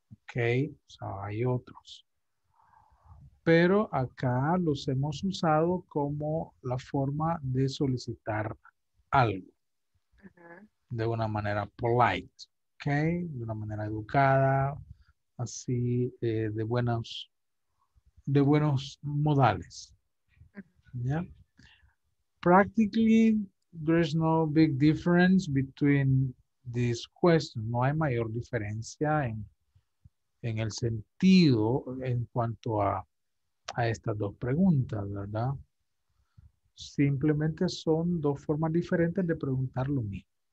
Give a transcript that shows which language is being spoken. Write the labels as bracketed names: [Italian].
[Spanish] Okay, so hay otros. Pero acá los hemos usado como la forma de solicitar algo. De una manera polite, okay? De una manera educada, así de buenos modales. [English] Yeah. Practically, there's no big difference between this question. [Spanish] No hay mayor diferencia en el sentido en cuanto a estas dos preguntas, ¿verdad? Simplemente son dos formas diferentes de preguntar lo mismo.